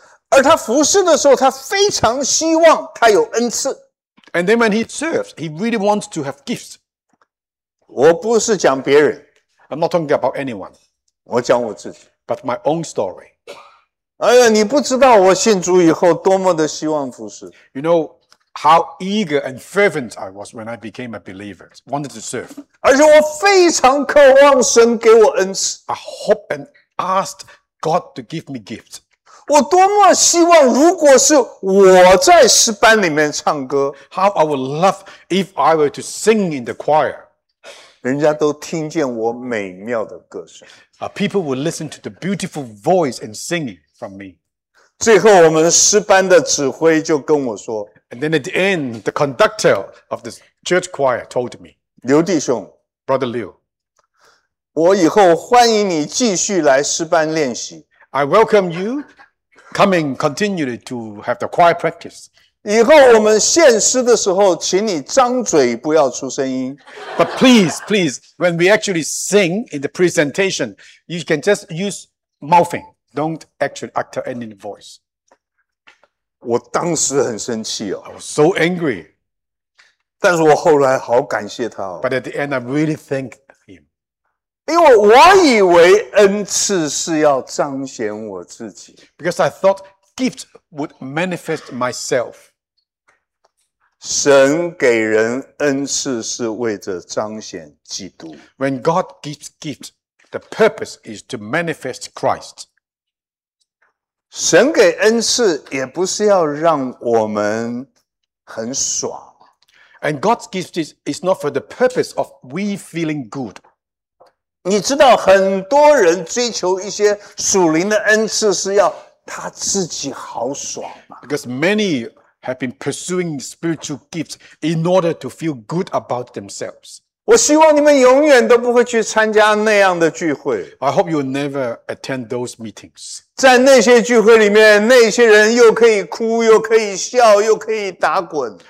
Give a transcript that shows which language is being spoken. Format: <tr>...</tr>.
<zh>而他服侍的时候，他非常希望他有恩赐。</zh> <en>And then when he serves, he really wants to have gifts。</en> <zh>我不是讲别人</zh> <en>，I'm not talking about anyone。</en> <zh>我讲我自己</zh> <en>，But my own story。</en> <zh>哎呀，你不知道我信主以后多么的希望服侍。</zh> <en>You know。 How eager and fervent I was when I became a believer, wanted to serve.</en> <zh>而且我非常渴望神给我恩赐。</zh> <en>I hope and asked God to give me gifts.</en> <zh>我多么希望如果是我在诗班里面唱歌。</zh> <en>How I would love if I were to sing in the choir.</en> <zh>人家都听见我美妙的歌声。</zh> <en>People would listen to the beautiful voice and singing from me.</en> <zh>最后我们诗班的指挥就跟我说</zh> <en>And then at the end, the conductor of the church choir told me,</en> <zh>刘弟兄</zh> <en>Brother Liu,</en> <zh>我以后欢迎你继续来诗班练习</zh> <en>I welcome you coming continually to have the choir practice.</en> <zh>以后我们献诗的时候请你张嘴不要出声音</zh> <en>But please, when we actually sing in the presentation, you can just use mouthing. Don't actually utter any voice.</en> <zh>我当时很生气哦。</zh> <en>I was so angry.</en> <zh>但是我后来好感谢他哦。</zh> <en>But at the end, I really thank him.</en> <zh>因为我以为恩赐是要彰显我自己。</zh> <en>Because I thought gift would manifest myself.</en> <zh>神给人恩赐是为着彰显基督。</zh> <en>When God gives gift, the purpose is to manifest Christ.</en> <zh>神给恩赐也不是要让我们很爽。</zh> <en>And God's gift is not for the purpose of we feeling good.</en> <zh>你知道很多人追求一些属灵的恩赐是要他自己好爽吗</zh> <en>Because many have been pursuing spiritual gifts in order to feel good about themselves.</en> <zh>我希望你们永远都不会去参加那样的聚会。</zh> <en>I hope you'll never attend those meetings.</en> <zh>在那些聚会里面，那些人又可以哭，又可以笑，又可以打滚。</zh>